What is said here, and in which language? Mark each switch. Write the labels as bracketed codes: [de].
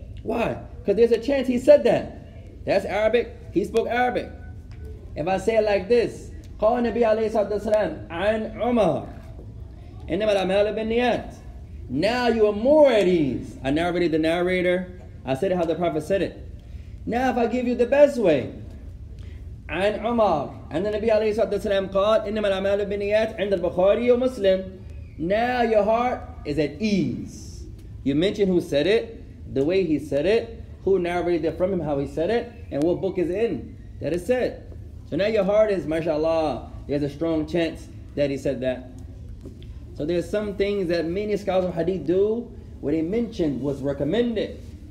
[en] Why? Because there's a chance he said that. That's Arabic. He spoke Arabic. If I say it like this, [ar] قَوَ النَّبِيَ عَلَيْهِ صَلَّى اللَّهُ عَلَيْهِ وَسَلَّمَ عَنْ عُمَرَ إِنَّمَا الْأَعْمَالُ بِالنِّيَّاتِ. [en] Now you are more at ease. I narrated the narrator. I said it how the Prophet said it. Now if I give you the best way, [ar] عن عمر and the Nabi عليه الصلاة والسلام قال إنما الأعمال بالنيات عند البخاري ومسلم. [en] Now your heart is at ease. You mention who said it, the way he said it, who narrated it from him, how he said it, and what book is in that it said. So now your heart is, mashallah, there's a strong chance that he said that. So there's some things that many scholars of hadith do where they mention what's recommended.